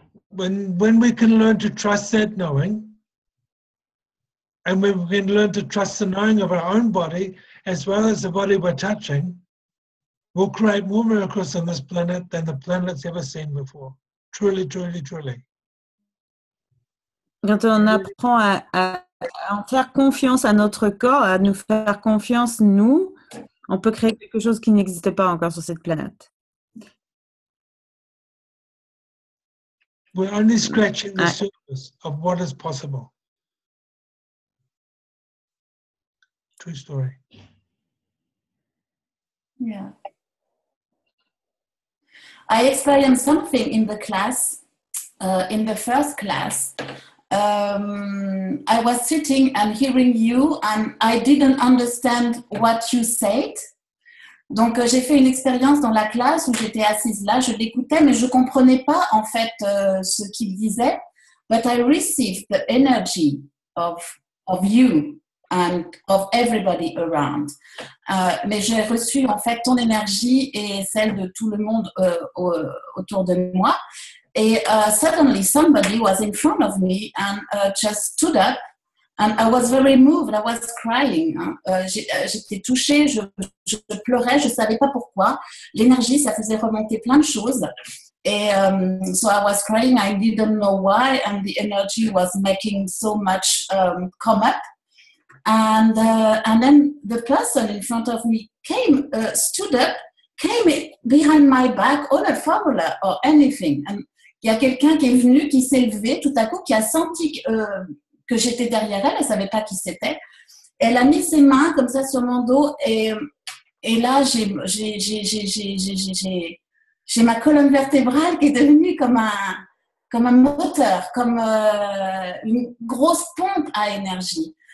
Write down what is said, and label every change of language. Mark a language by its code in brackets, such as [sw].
[en] When we can learn to trust that knowing, and when we can learn to trust the knowing of our own body, as well as the body we're touching, we'll create more miracles on this planet than the planet's ever seen before. Truly, truly, truly. [fr] Quand on apprend à faire confiance à notre corps, à nous faire confiance nous, on peut créer quelque chose qui n'existe pas encore sur cette planète. [en] We're only scratching the surface of what is possible. True story. Yeah. I experienced something in the class, in the first class. I was sitting and hearing you, and I didn't understand what you said. [fr] Donc, j'ai fait une expérience dans la classe où j'étais assise là, je l'écoutais, mais je ne comprenais pas en fait ce qu'il disait. [en] But I received the energy of you and of everybody around. [fr] Mais j'ai reçu en fait ton énergie et celle de tout le monde autour de moi. [en] Et suddenly somebody was in front of me and just stood up. And I was very moved, I was crying. [fr] J'étais touchée, je pleurais, je ne savais pas pourquoi. L'énergie, ça faisait remonter plein de choses. [en] Et so I was crying, I didn't know why, and the energy was making so much come up. And then the person in front of me came, stood up, came behind my back on a formula or anything. [fr] And il y a quelqu'un qui est venu, qui s'est levé tout à coup, qui a senti... que j'étais derrière elle, elle savait pas qui c'était. Elle a mis ses mains comme ça sur mon dos et là j'ai ma colonne vertébrale qui est devenue comme un moteur, comme une grosse pompe à énergie.